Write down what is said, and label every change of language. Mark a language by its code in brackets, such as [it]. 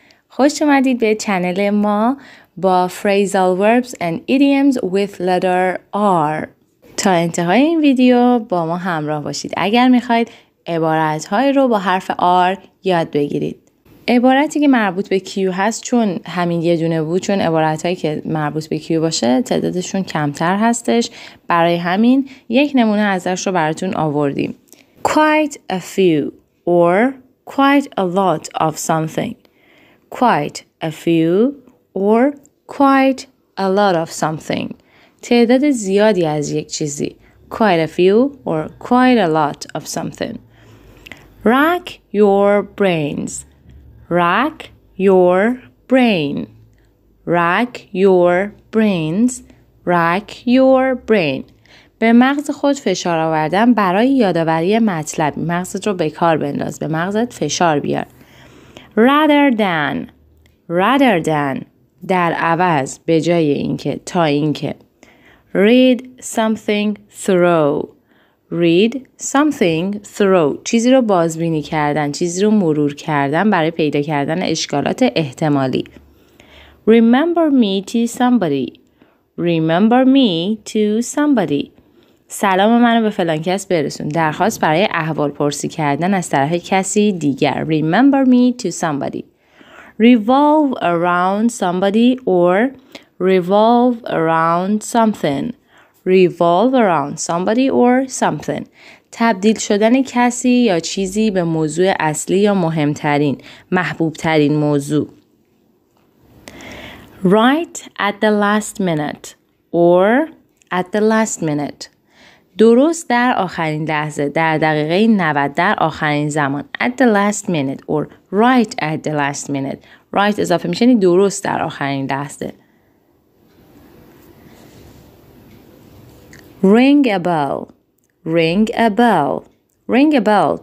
[fa] خوش اومدید به چنل ما با [en] phrasal verbs and idioms with letter R. [fa] تا انتهای این ویدیو با ما همراه باشید. اگر میخواید عبارتهای رو با حرف R یاد بگیرید. عبارتی که مربوط به کیو هست چون همین یه دونه بود چون عبارتهایی که مربوط به کیو باشه تعدادشون کمتر هستش. برای همین یک نمونه ازش رو براتون آوردیم. [en] Quite a few or quite a lot of something. Quite a few or quite a lot of something. [fa] تعداد زیادی از یک چیزی. [en] Quite a few or quite a lot of something. Rack your brains. Rack your brain. Rack your brains. Rack your brain. [fa] به مغز خود فشار آوردن برای یادآوری مطلب. مغزت رو به کار بنداز. به مغزت فشار بیار. [en] Rather than. Rather than. [fa] در عوض. به جای اینکه. تا اینکه. [en] Read something through. Read something through. [fa] چیزی رو بازبینی کردن. چیزی رو مرور کردن برای پیدا کردن اشکالات احتمالی. [en] Remember me to somebody. Remember me to somebody. [fa] سلام منو به فلان کس برسون. درخواست برای احوال پرسی کردن از طرف کسی دیگر. [en] Remember me to somebody. Revolve around somebody or revolve around something. Revolve around somebody or something. [fa] تبدیل شدن کسی یا چیزی به موضوع اصلی یا مهمترین، محبوبترین موضوع. [en] Right at the last minute or at the last minute. [fa] درست در آخرین لحظه، در دقیقه 90، در آخرین زمان. [en] At the last minute or right at the last minute. [fa] Right اضافه میشه یعنی درست در آخرین لحظه. [en] Ring a bell. Ring a bell. Ring a bell.